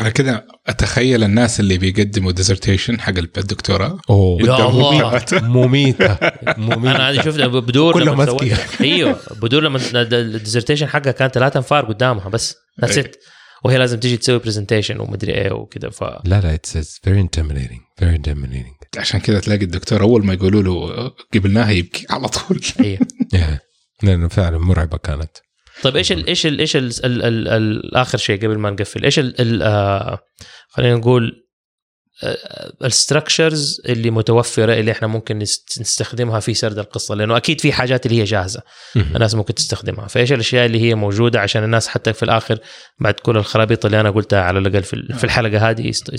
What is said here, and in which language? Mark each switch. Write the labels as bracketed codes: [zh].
[ar] انا كده اتخيل الناس اللي بيقدموا ديزرتيشن حق الدكتوراه والدكتوراه مميته انا عادي شفت بدور لما سوى ايوه بدور لما الديزرتيشن حقها كان 3 انفار قدامها بس نسيت وهي لازم تيجي تسوي برزنتيشن ومدري ايه وكذا ف لا لا [en] it's very intimidating very intimidating [ar] عشان كذا تلاقي الدكتور اول ما يقولوا له قبلناها يبكي على طول ايوه لانه فعلا مرعبه كانت طيب ايش الـ ايش الـ ايش الـ الـ الـ الـ الاخر شيء قبل ما نقفل ايش خلينا نقول الستركشرز اللي متوفره اللي احنا ممكن نستخدمها في سرد القصه لانه اكيد في حاجات اللي هي جاهزه الناس ممكن تستخدمها فايش الاشياء اللي هي موجوده عشان الناس حتى في الاخر بعد كل الخرابيط اللي انا قلتها على الاقل في الحلقه هذه